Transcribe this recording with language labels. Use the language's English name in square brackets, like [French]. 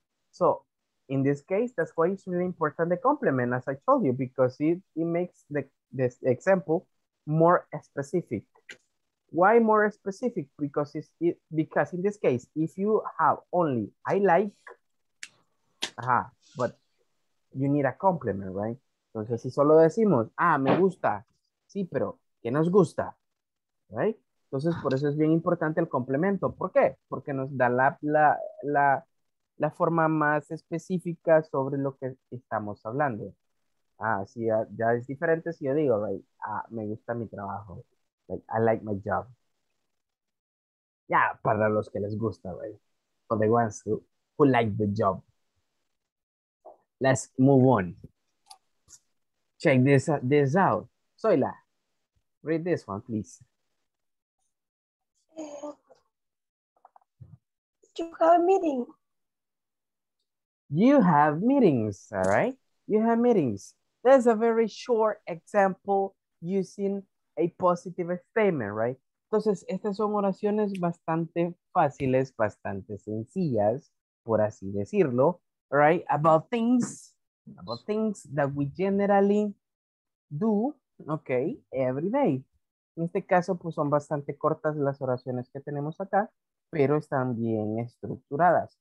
[English] So in this case, that's why it's really important, the complement, as I told you, because it makes this example more specific. Why more specific? Because because in this case, if you have only I like, but you need a complement, right? [Spanish] Entonces, si solo decimos, me gusta, sí, pero ¿qué nos gusta? Right? Entonces, por eso es bien importante el complemento. ¿Por qué? Porque nos da la forma más específica sobre lo que estamos hablando. Si ya es diferente, si yo digo, right, me gusta mi trabajo. [English] Like, I like my job. Yeah, [Spanish] para los que les gusta, [English] right? For the ones who like the job. Let's move on. Check this out. Zoila, read this one, please. You have a meeting. You have meetings, all right? You have meetings. That's a very short example using a positive statement, right? [Spanish] Entonces, estas son oraciones bastante fáciles, bastante sencillas, por así decirlo, right? [English] About things that we generally do, okay, every day. [Spanish] En este caso, pues son bastante cortas las oraciones que tenemos acá, pero están bien estructuradas.